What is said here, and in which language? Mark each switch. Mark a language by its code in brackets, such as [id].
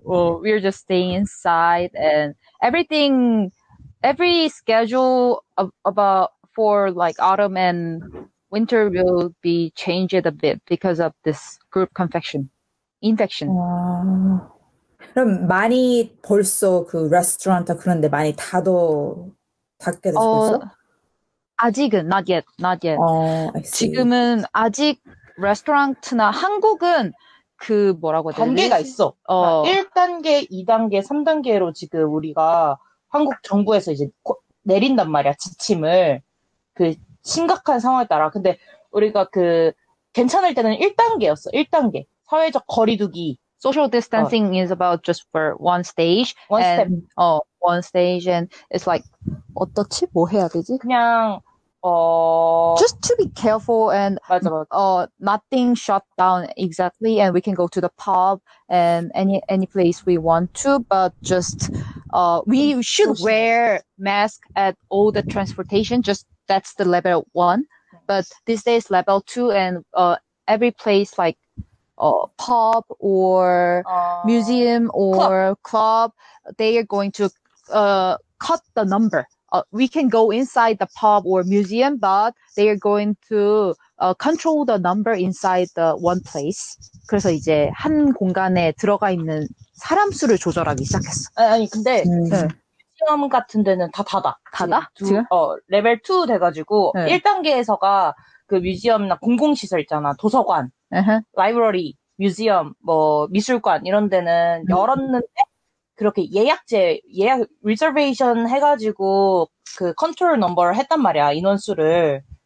[en] Well, we're just staying inside and everything, every schedule about for like autumn and winter will be changed a bit because of this group infection. [ko] 그럼 많이 벌써 그 레스토랑이나 그런 데 많이 닫어 닫게 돼서 벌써? 아직은 [en] not yet, not yet. I see. [ko] 지금은 아직 레스토랑트나 한국은 그 뭐라고 해야 되지? 단계가 있어. 그러니까 1단계, 2단계, 3단계로 지금 우리가 한국 정부에서 이제 내린단 말이야, 지침을. 그 심각한 상황에 따라. 근데 우리가 그 괜찮을 때는 1단계였어. 1단계. 사회적 거리두기. [en] Social distancing is about just for one stage One step. and one stage and it's like [ko] 어떻지? 뭐 해야 되지? 그냥 [en] Just to be careful and [ko] 맞아 맞아. [en] nothing shut down exactly and we can go to the pub and any place we want to but just we should [ko] 조심해. [en] wear mask at all the transportation just that's the level one but this day is level two and every place like pub or museum club. or club they are going to cut the number. We can go inside the pub or museum, but they are going to control the number inside the one place. [ko] 그래서 이제 한 공간에 들어가 있는 사람 수를 조절하기 아니, 근데 시작했어. 시험 같은 데는 다 닫아. 지금 닫아? 지금? 레벨 2 돼가지고 1단계에서가 그 뮤지엄이나 공공시설 있잖아. 도서관, 라이브러리, 뮤지엄, 뭐 미술관 이런 데는 열었는데 그렇게 예약 리서베이션 해가지고 그 컨트롤 넘버를 했단 말이야. 인원수를.